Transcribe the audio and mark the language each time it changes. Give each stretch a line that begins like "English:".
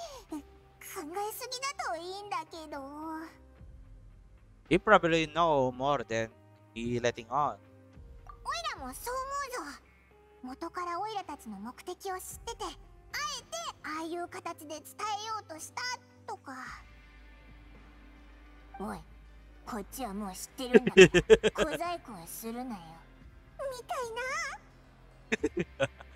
Japanese: 考えすぎだといいんだけど。
English: He probably know more than he letting on。
Japanese: オイラもそう思うぞ。元からオイラたちの目的を知ってて、あえてああいう形で伝えようとしたとか。おい、こっちはもう知ってるんだから小細工はするなよみたいな。